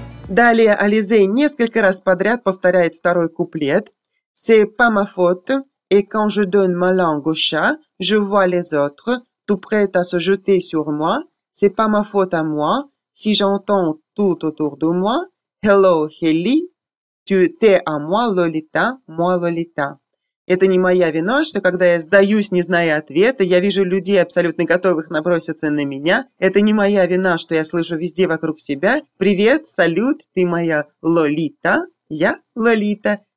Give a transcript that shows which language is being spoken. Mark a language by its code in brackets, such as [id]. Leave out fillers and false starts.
[ru] Далее Ализе несколько раз подряд повторяет второй куплет. [fr] «C'est pas ma faute, et quand je donne ma langue au chat, je vois les autres, tout prêt à se jeter sur moi. C'est pas ma faute à moi, si j'entends tout autour de moi. Hello, Heli, tu es à moi, Lolita, moi, Lolita». [ru] Это не моя вина, что когда я сдаюсь, не зная ответа, я вижу людей, абсолютно готовых наброситься на меня. Это не моя вина, что я слышу везде вокруг себя: «Привет, салют, ты моя Лолита, я Лолита».